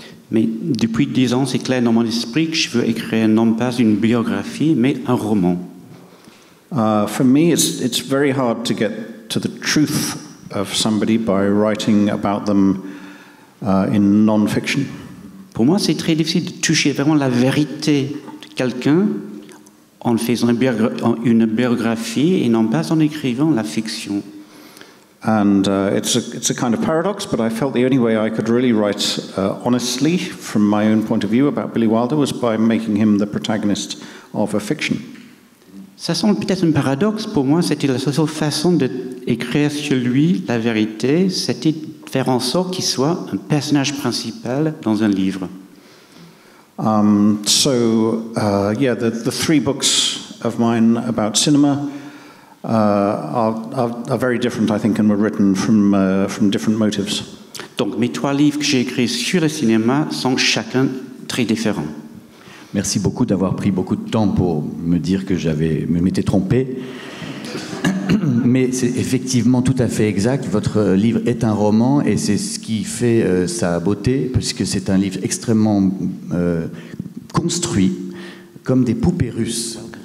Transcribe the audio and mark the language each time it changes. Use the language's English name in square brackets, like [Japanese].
[French] Mais depuis 10 ans, c'est clair dans mon esprit que je veux écrire non pas une biographie, mais un roman. [English] For me, it's very hard to get to the truth of somebody by writing about them in non-fiction. [French] Pour moi, c'est très difficile de toucher vraiment la vérité de quelqu'un en faisant une biographie et non pas en écrivant la fiction. [English] And it's a kind of paradox, but I felt the only way I could really write honestly from my own point of view about Billy Wilder was by making him the protagonist of a fiction. [French] Ça semble peut-être un paradoxe. Pour moi, c'était la seule façon d'écrire sur lui la vérité, c'était de faire en sorte qu'il soit un personnage principal dans un livre. [English] The three books of mine about cinema are very different, I think, and were written from different motives. [French] Donc, mes trois livres que j'ai écrits sur le cinéma sont chacun très différents. Merci beaucoup d'avoir pris beaucoup de temps pour me dire que j'avais me m'étais trompé. Mais c'est effectivement tout à fait exact. Votre livre est un roman et c'est ce qui fait sa beauté, puisque c'est un livre extrêmement construit, comme des poupées russes.